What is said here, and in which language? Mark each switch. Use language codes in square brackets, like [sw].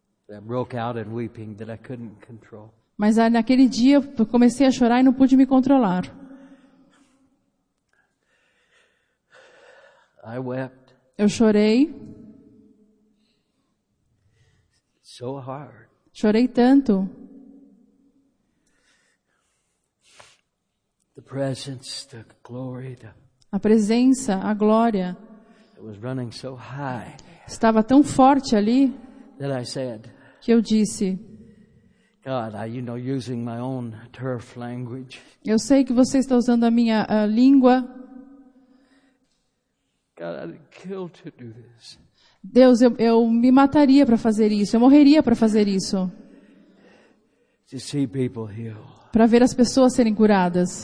[en] I broke out in weeping that I couldn't control. [pt] Mas naquele dia eu comecei a chorar e não pude me controlar. [en] I wept. [pt] Eu chorei. [en] So hard. [pt] Chorei tanto. [en] The presence, the glory, [pt] a presença, a glória. [en] It was running so high. [pt] Estava tão forte ali. [en] That I said, [pt] que eu disse. [en] God, I, you know, using my own turf language. [pt] Eu sei que você está usando a minha língua. [en] God, I'd kill to do this. [pt] Deus, eu me mataria para fazer isso. Eu morreria para fazer isso. [en] To see people healed. [pt] Para ver as pessoas serem curadas.